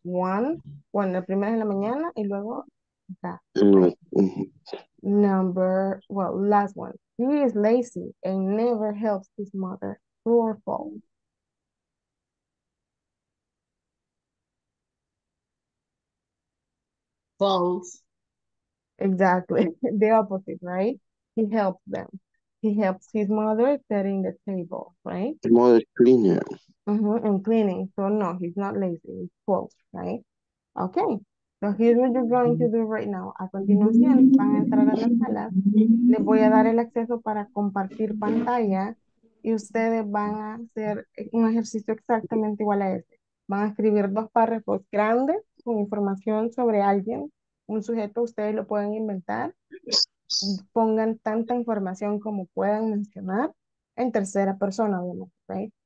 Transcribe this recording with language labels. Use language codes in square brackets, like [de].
[es] One, bueno, la primera en la mañana y luego acá. [en] Number, well, last one. He is lazy and never helps his mother. True or false? False. Exactly. The opposite, right? He helps them. He helps his mother setting the table, right? His mother is cleaner. Mm-hmm, and cleaning. So no, he's not lazy. It's false, right? Okay. So here's what you're going to do right now. [es] A continuación, van a entrar a la sala. Les voy a dar el acceso para compartir pantalla. Y ustedes van a hacer un ejercicio exactamente igual a este. Van a escribir dos párrafos grandes con información sobre alguien. Un sujeto, ustedes lo pueden inventar. Pongan tanta información como puedan mencionar en tercera persona, ¿verdad? ¿Right?